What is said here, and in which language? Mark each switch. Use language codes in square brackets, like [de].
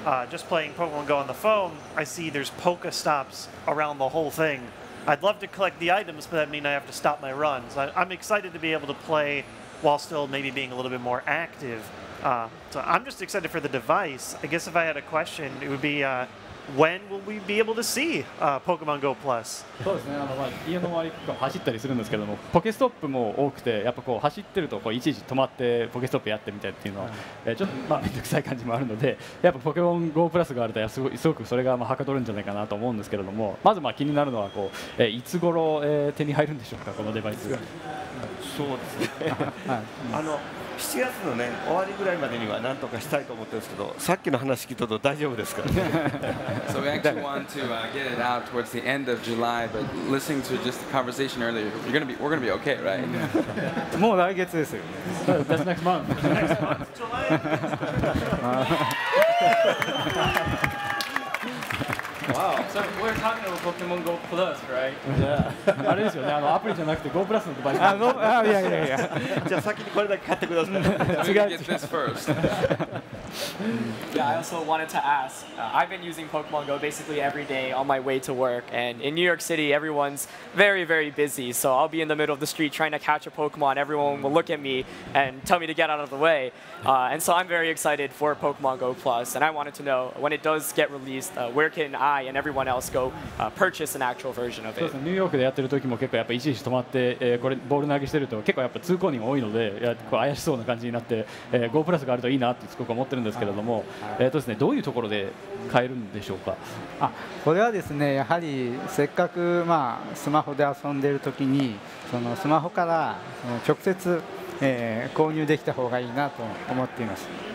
[en] Just playing Pokemon Go on the phone, I see there's Pokestops around the whole thing. I'd love to collect the items, but that means I have to stop my runs. I'm excited to be able to play while still maybe being a little bit more active. So I'm just excited for the device. I guess if I had a question, it would be when will we be able to see Pokemon Go Plus? [ja] そうですね。あの、まあ、家の周り走ったりするんですけども、ポケストップも多くて、やっぱこう走ってるとこういちいち止まってポケストップやってみたいっていうのは、ちょっとまあ面倒くさい感じもあるので、やっぱポケモン Go Plus があるとすごくそれがまあはかどるんじゃないかなと思うんですけれども、まずまあ気になるのはこう、いつ頃、手に入るんでしょうかこのデバイス。そうですね。あの。 7月の、ね、終わりぐらいまでには何とかしたいと思ってるんですけど、さっきの話聞いたと大丈夫ですか [en] So we actually want to get it out towards the end of July, but listening to just the conversation earlier, we're going to be okay, right? [ja] もう来月ですよ。 [en] That's next month. Next month, July! Wow. So we're talking about Pokemon Go Plus, right? [ja] Yeah. あれですよね、あのアプリじゃなくて Go Plus のデバイス。いや。じゃあ先にこれだけ買ってください。 [en] So we're gonna get this first. Yeah, I also wanted to ask. I've been using Pokemon Go basically every day on my way to work. And in New York City, everyone's very, very busy. So I'll be in the middle of the street trying to catch a Pokemon. Everyone will look at me and tell me to get out of the way. And so I'm very excited for Pokemon Go Plus. And I wanted to know, when it does get released, where can I and everyone else go purchase an actual version of it? [ja] ニューヨークでやってる時も結構やっぱいちいち止まって、これボール投げしてると結構やっぱ通行人多いので、こう怪しそうな感じになって、Go Plus があるといいなってすごく思ってるんですけれども、ですね、どういうところで買えるんでしょうか。あ、これはですね、やはりせっかく、まあ、スマホで遊んでいるときにそのスマホからその直接、購入できた方がいいなと思っています。